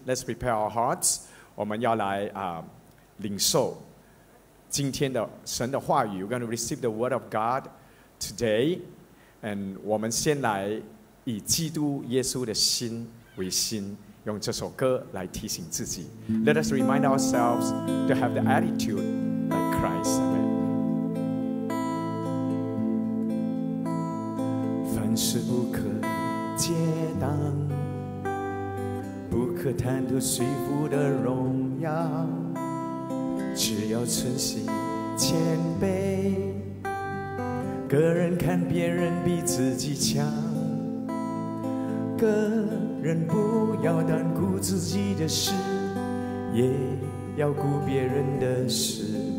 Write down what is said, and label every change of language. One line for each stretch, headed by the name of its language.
English: Let's prepare our hearts.
Chinese: 我们要来领受今天的神的话语。
English: We're going to receive the word of God today.
Chinese: And 我们先来以基督耶稣的心为心，用这首歌来提醒自己。
English: Let us remind ourselves to have the attitude like Christ. Amen.
Chinese: 凡事不可结党，不可贪图虚浮的荣耀，只要存心谦卑，个人看别人比自己强，个人不要单顾自己的事，也要顾别人的事。